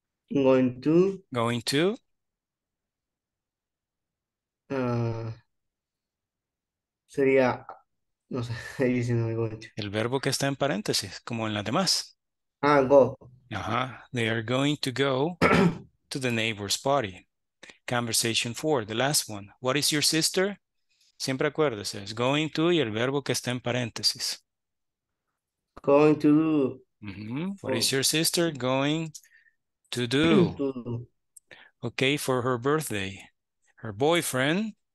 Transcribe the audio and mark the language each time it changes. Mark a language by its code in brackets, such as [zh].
[es] going to sería, no sé, ahí diciendo going to. El verbo que está en paréntesis, como en las demás. Ah, go. Ajá. [en] They are going to go to the neighbor's party. Conversation 4, the last one. What is your sister? [es] Siempre acuérdese, es going to y el verbo que está en paréntesis. [en] Going to do. Mm-hmm. What is your sister going to do? Okay, for her birthday. Her boyfriend.